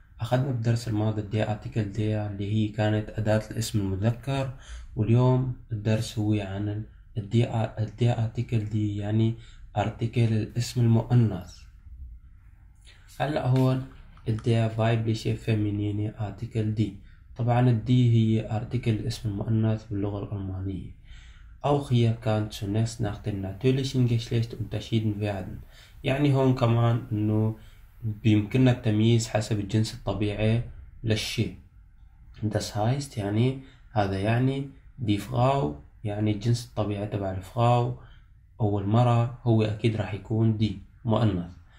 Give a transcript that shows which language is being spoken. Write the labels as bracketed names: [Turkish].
[Arabic] أخذنا في الدرس الماضي دي أرتيكل دي اللي هي كانت أداة الاسم المذكر، واليوم الدرس هو عن الدي أرتيكل دي، يعني أرتيكل الاسم المؤنث. هلأ هون الدي فايبليشي فيمينيني أرتيكل دي، طبعا الدي هي أرتيكل الاسم المؤنث باللغة الألمانية. [German] Auch hier kann zunächst nach dem natürlichen Geschlecht unterschieden werden. [Arabic] يعني هون كمان انه بيمكننا التمييز حسب الجنس الطبيعي للشيء. [German] Das heißt [Arabic] يعني هذا يعني دي فراو، يعني الجنس الطبيعي تبع الفراو او المرأة هو اكيد راح يكون دي مؤنث.